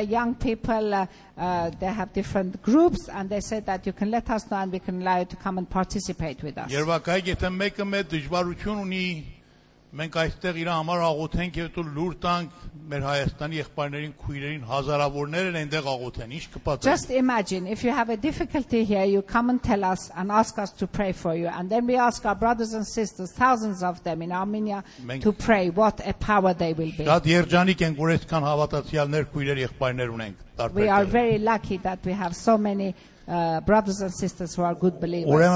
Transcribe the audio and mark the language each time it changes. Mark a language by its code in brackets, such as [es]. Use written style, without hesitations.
[en] Young people, they have different groups, and they said that you can let us know and we can allow you to come and participate with us. [hy] Մենք այստեղ իր համար աղոթենք եւ դու լուր տանք մեր հայաստանի եղբայրներին քույրերին հազարավորներ են այնտեղ աղոթեն ինչ կպատճառի [en] Just imagine if you have a difficulty here you come and tell us and ask us to pray for you and then we ask our brothers and sisters thousands of them in Armenia to pray what a power they will be [hy] Շատ երջանիկ ենք որ այդքան հավատացյալներ քույրեր եղբայրներ ունենք [en] We are very lucky that we have so many brothers and sisters who are good believers.